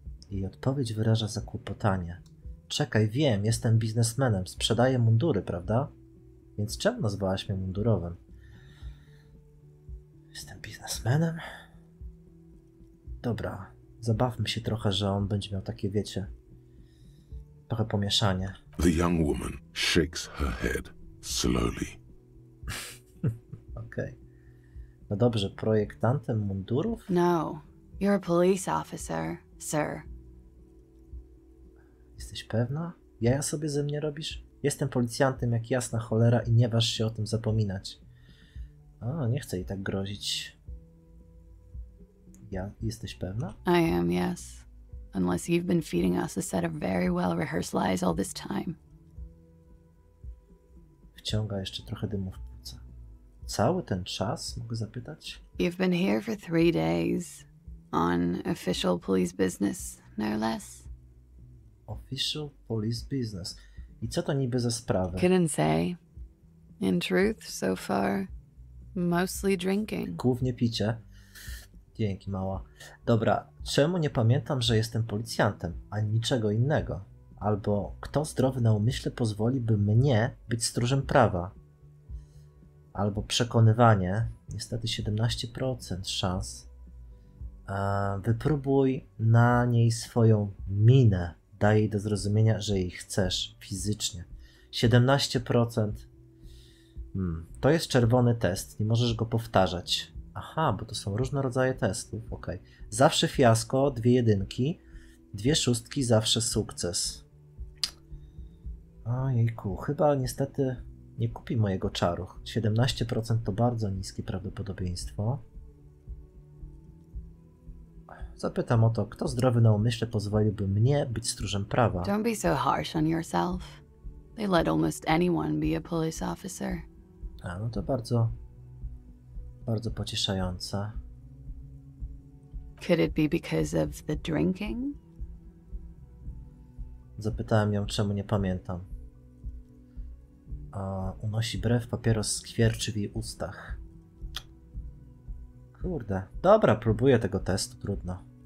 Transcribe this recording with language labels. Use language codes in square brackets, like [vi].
[pl] Jej odpowiedź wyraża zakłopotanie. Czekaj, wiem, jestem biznesmenem, sprzedaję mundury, prawda? Więc czemu nazwałaś mnie mundurowym? Jestem biznesmenem? Dobra, zabawmy się trochę, że on będzie miał takie, wiecie, trochę pomieszanie. [en] The young woman shakes her head slowly. [pl] Okej. Okay. No dobrze, projektantem mundurów? [en] No, you're a police officer, sir. [pl] Jesteś pewna? Jaja sobie ze mnie robisz? Jestem policjantem jak jasna cholera i nie waż się o tym zapominać. O, nie chcę jej tak grozić. Ja, jesteś pewna? [en] I am, yes. Unless you've been feeding us a set of very well-rehearsed lies all this time. [pl] Wciąga jeszcze trochę dymu w płuca. Cały ten czas, mogę zapytać? [en] You've been here for 3 days. On official police business, no less. Official police business. [pl] I co to niby za sprawy? [en] Couldn't say. In truth, so far, mostly drinking. [pl] Głównie picie. Dzięki, mała. Dobra, czemu nie pamiętam, że jestem policjantem, a niczego innego? Albo kto zdrowy na umyśle pozwoli, by mnie być stróżem prawa? Albo przekonywanie. Niestety 17% szans. Wypróbuj na niej swoją minę. Daj jej do zrozumienia, że jej chcesz fizycznie. 17%. To jest czerwony test. Nie możesz go powtarzać. Aha, bo to są różne rodzaje testów. Okej. Okay. Zawsze fiasko, 2 jedynki. 2 szóstki, zawsze sukces. Ojejku, chyba niestety nie kupi mojego czaru. 17% to bardzo niskie prawdopodobieństwo. Zapytam o to, kto zdrowy na umyśle pozwoliłby mnie być stróżem prawa. [en] Don't be so harsh on yourself. They let almost anyone be a police officer. [pl] A, no to bardzo... bardzo pocieszające. [en] Could it be because of the drinking? [pl] Zapytałem ją, czemu nie pamiętam. A unosi brew, papieros skwierczy w jej ustach. Kurde. Dobra, próbuję tego testu, trudno.